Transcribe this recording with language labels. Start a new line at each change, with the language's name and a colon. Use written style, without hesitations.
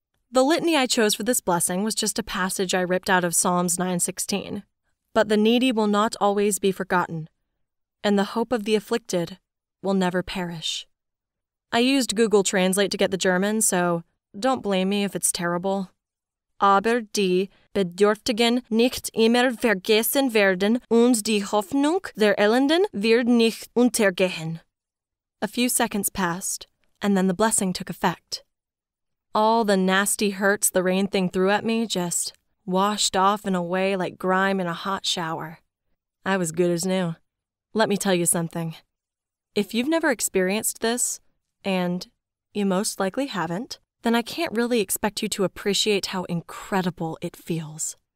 English: The litany I chose for this blessing was just a passage I ripped out of Psalms 9:16. But the needy will not always be forgotten, and the hope of the afflicted will never perish. I used Google Translate to get the German, so don't blame me if it's terrible.
German: Aber die Bedürftigen nicht immer vergessen werden und die Hoffnung der Elenden wird nicht untergehen.
English: A few seconds passed, and then the blessing took effect. All the nasty hurts the rain thing threw at me just washed off and away like grime in a hot shower. I was good as new. Let me tell you something. If you've never experienced this, and you most likely haven't, then I can't really expect you to appreciate how incredible it feels.